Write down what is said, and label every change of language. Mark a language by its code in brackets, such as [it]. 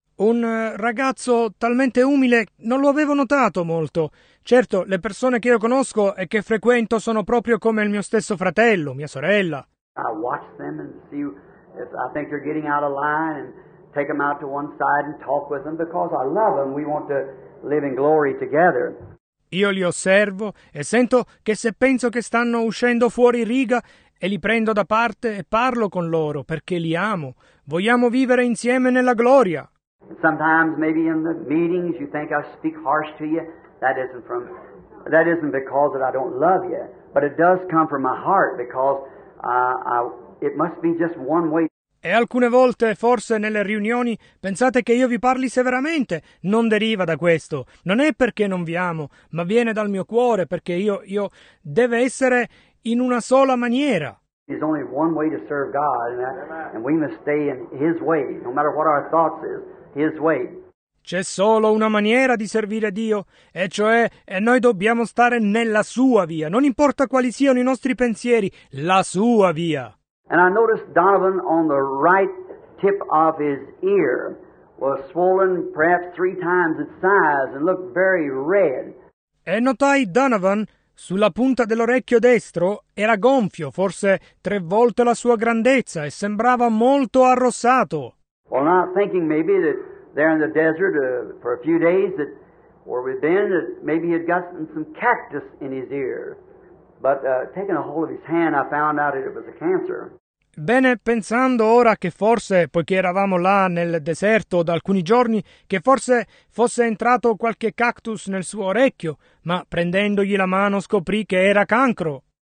[it] Un ragazzo talmente umile, non lo avevo notato molto. Certo, le persone che io conosco e che frequento sono proprio come il mio stesso fratello, mia sorella. [en] I watch them and see if I think they're getting out of line and take them out to one side and talk with them because I love them. We want to live in glory together. [it] Io li osservo e sento che se penso che stanno uscendo fuori riga e li prendo da parte e parlo con loro perché li amo. Vogliamo vivere insieme nella gloria. [en] Sometimes maybe in the meetings you think I speak harsh to you. That isn't because that I don't love you, but it does come from my heart because it must be just one way. [it] E alcune volte, forse nelle riunioni, pensate che io vi parli severamente. Non deriva da questo. Non è perché non vi amo, ma viene dal mio cuore, perché io deve essere in una sola maniera. [en] There's only one way to serve God, and we must stay in His way, no matter what our thoughts is, His way. [it] C'è solo una maniera di servire Dio, e cioè, e noi dobbiamo stare nella Sua via. Non importa quali siano i nostri pensieri, la Sua via. [en] And I noticed Donovan on the right tip of his ear was swollen perhaps three times its size and looked very red. [it] E notai Donovan sulla punta dell'orecchio destro era gonfio, forse tre volte la sua grandezza, e sembrava molto arrossato. [en] Well, not thinking maybe that there in the desert for a few days that where we've been that maybe he had gotten some cactus in his ear. But taking a hold of his hand, I found out that it was a cancer. [it] Bene, pensando ora che forse, poiché eravamo là nel deserto da alcuni giorni, che forse fosse entrato qualche cactus nel suo orecchio, ma prendendogli la mano scoprì che era cancro.